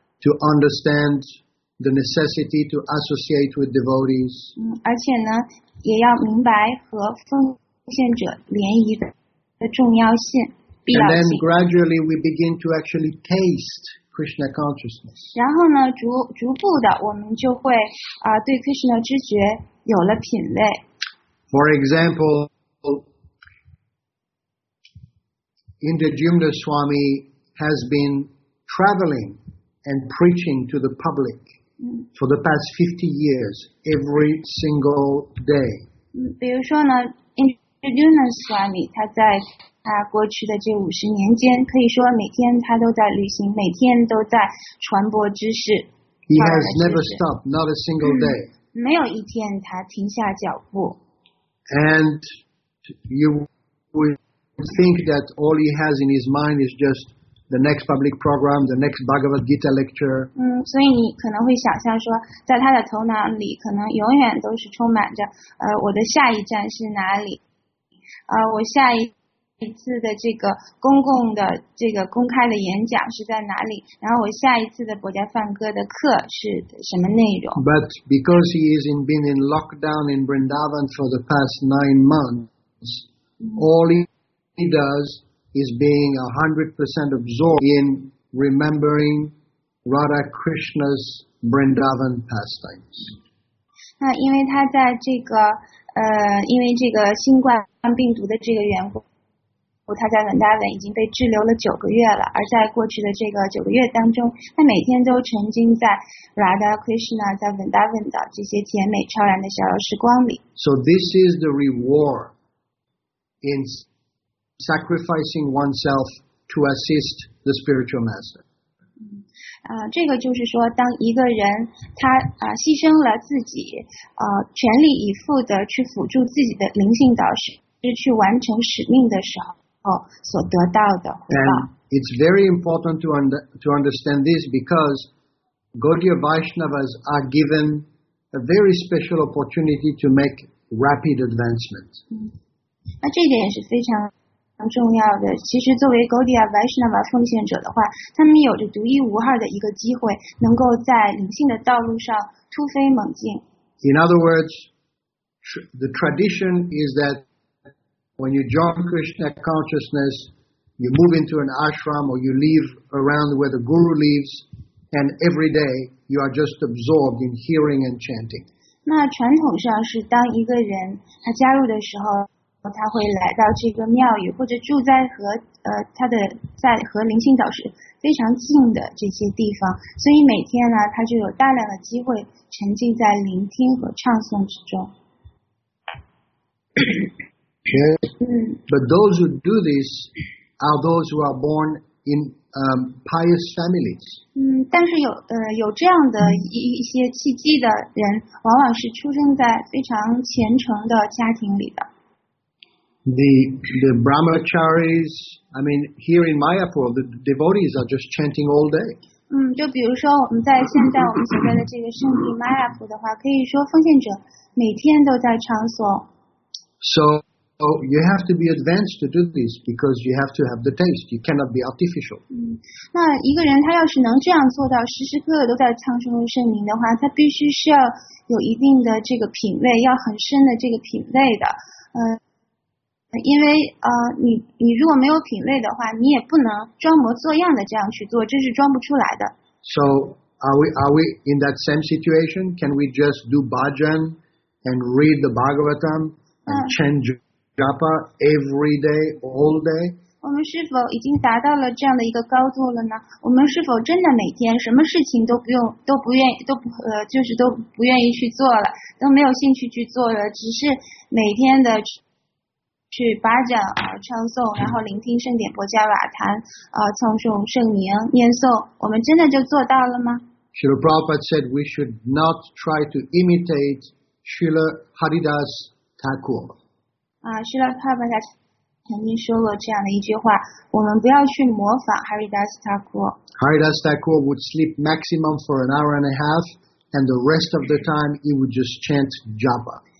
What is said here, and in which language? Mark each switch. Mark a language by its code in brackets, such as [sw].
[en] To understand the necessity to associate with devotees. [zh] 而且呢，也要明白和奉献者联谊的重要性、必要性。 [en] And then gradually we begin to actually taste Krishna consciousness. [zh] 然后呢，逐步的，我们就会对 Krishna 知觉有了品味。 [en] For example. Indrajumna Swami has been traveling and preaching to the public for the past 50 years, every single day. [zh] 比如说呢 ,Indrajumna Swami, 他在他过去的这50年间可以说每天他都在旅行每天都在传播知识。 [en] He has never stopped, not a single day. [zh] 没有一天他停下脚步。 [en] And you will... think that all he has in his mind is just the next public program, the next Bhagavad Gita lecture. [zh] 所以你可能会想象说，在他的头脑里可能永远都是充满着，我的下一站是哪里？我下一次的这个公共的这个公开的演讲是在哪里？然后我下一次的佛家梵歌的课是什么内容 [en] ？But because he is been in lockdown in Vrindavan for the past 9 months, all he does is being 100% absorbed in remembering Radha Krishna's Vrindavan pastimes. [zh] 那因为他在这个因为这个新冠病毒的这个缘故，他在 Vrindavan 已经被滞留了九个月了。而在过去的这个九个月当中，他每天都沉浸在 Radha Krishna 在 Vrindavan 的这些甜美超然的逍遥时光里。 [en] So this is the reward in. Sacrificing oneself to assist the spiritual master. [zh] 这个就是说，当一个人他牺牲了自己，全力以赴的去辅助自己的灵性导师，去完成使命的时候，所得到的回报。 [en] And it's very important to understand this because Gaudiya Vaishnavas are given a very special opportunity to make rapid advancement. [zh] 那这点也是非常。重要的，其实作为 Gaudiya Vaishnava 奉献者的话，他们有着独一无二的一个机会，能够在灵性的道路上突飞猛进。 [en] In other words, the tradition is that when you join Krishna consciousness, you move into an ashram or you live around where the guru lives, And every day you are just absorbed in hearing and chanting. [zh] 那传统上是当一个人他加入的时候他会来到这个庙宇或者住在和他的在和灵性导师非常近的这些地方所以每天呢他就有大量的机会沉浸在聆听和唱诵之中 [en] But those who do this are those who are born in pious families [zh] 但是有有这样的一些契机的人往往是出生在非常虔诚的家庭里的 [en] The brahmacharis, I mean, here in Mayapur, the devotees are just chanting all day. [zh] 就比如说我们在现在我们所在的这个圣地 Mayapur 的话，可以说奉献者每天都在唱诵。 [en] So you have to be advanced to do this because you have to have the taste. You cannot be artificial. [zh] 那一个人他要是能这样做到时时刻刻都在唱诵圣名的话，他必须是要有一定的这个品味，要很深的这个品味的，因为你如果没有品味的话，你也不能装模作样的这样去做，这是装不出来的。 [en] So are we in that same situation? Can we just do bhajan and read the Bhagavatam and chant japa every day, all day? [zh] 我们是否已经达到了这样的一个高度了呢？我们是否真的每天什么事情都不用都不愿意都不就是都不愿意去做了，都没有兴趣去做了，只是每天的。去巴掌唱诵然后聆听圣典波加瓦坛唱诵圣名念诵我们真的就做到了吗 [en] Srila Prabhupada said we should not try to imitate Srila Haridas Thakur. [zh] Srila Prabhupada 曾经说过这样的一句话我们不要去模仿 Haridas Thakur. [en] Haridas Thakur would sleep maximum for an hour and a half and the rest of the time he would just chant japa.